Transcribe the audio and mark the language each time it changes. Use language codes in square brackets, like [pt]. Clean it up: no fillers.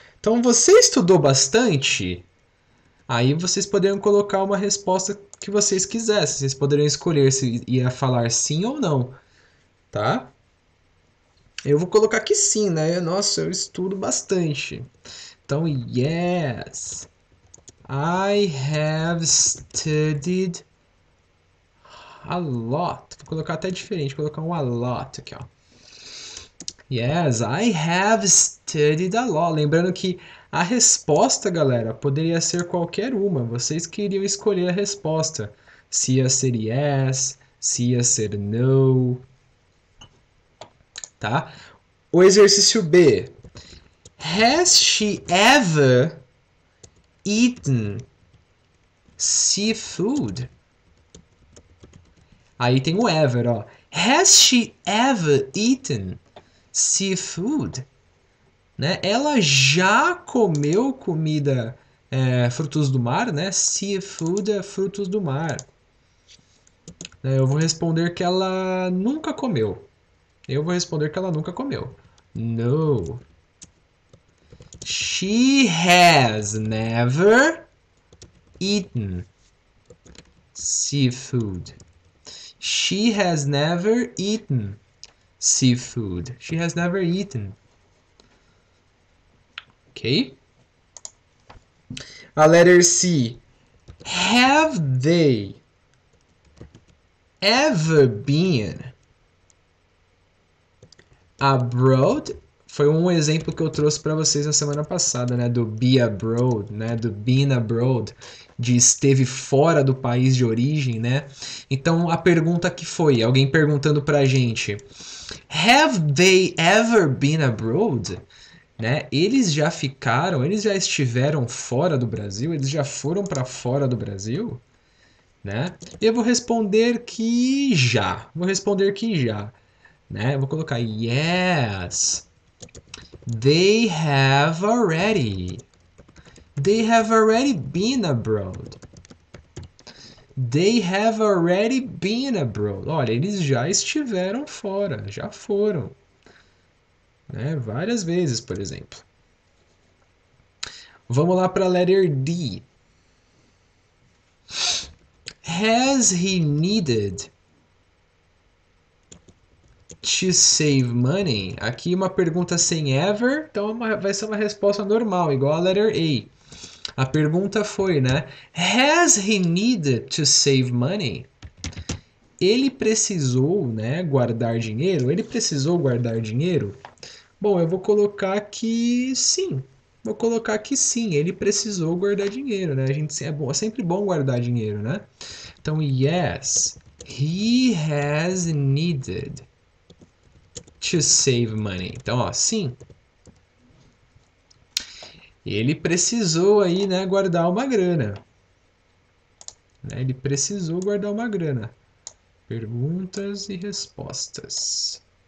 [pt] Então, você estudou bastante? Aí vocês poderiam colocar uma resposta que vocês quisessem. Vocês poderiam escolher se ia falar sim ou não, tá? Eu vou colocar que sim, né? Nossa, eu estudo bastante. Então, [en] yes, I have studied a lot. [pt] Vou colocar até diferente, vou colocar um a lot aqui, ó. [en] Yes, I have studied a lot. [pt] Lembrando que a resposta, galera, poderia ser qualquer uma. Vocês queriam escolher a resposta. Se ia ser yes, se ia ser no. Tá? O exercício B. [en] Has she ever eaten seafood? [pt] Aí tem o ever, ó. [en] Has she ever eaten seafood, [pt] né? Ela já comeu comida Frutos do mar, né? Seafood é frutos do mar. Eu vou responder que ela nunca comeu. Eu vou responder que ela nunca comeu. [en] No. She has never eaten seafood. She has never eaten seafood. She has never eaten. Ok. A letter C. Have they ever been abroad? [pt] Foi um exemplo que eu trouxe para vocês na semana passada, né? Do be abroad, né? Do been abroad, de esteve fora do país de origem, né? Então a pergunta que foi, alguém perguntando para a gente, [en] Have they ever been abroad? [pt] Né? Eles já ficaram, eles já estiveram fora do Brasil, eles já foram para fora do Brasil, né? E eu vou responder que já, vou responder que já, né? Vou colocar [en] yes. They have already. They have already been abroad. They have already been abroad. [pt] Olha, eles já estiveram fora, já foram, né? Várias vezes, por exemplo. Vamos lá para a letter D. [en] Has he needed to save money? [pt] Aqui uma pergunta sem ever, então vai ser uma resposta normal, igual a letter A. A pergunta foi, né? [en] Has he needed to save money? [pt] Ele precisou, né, guardar dinheiro? Ele precisou guardar dinheiro? Bom, eu vou colocar que sim. Vou colocar que sim, ele precisou guardar dinheiro, né? É sempre bom guardar dinheiro, né? Então, [en] yes, he has needed to save money. [pt] Então, ó, sim. Ele precisou aí, né, guardar uma grana. Né? Ele precisou guardar uma grana. Perguntas e respostas.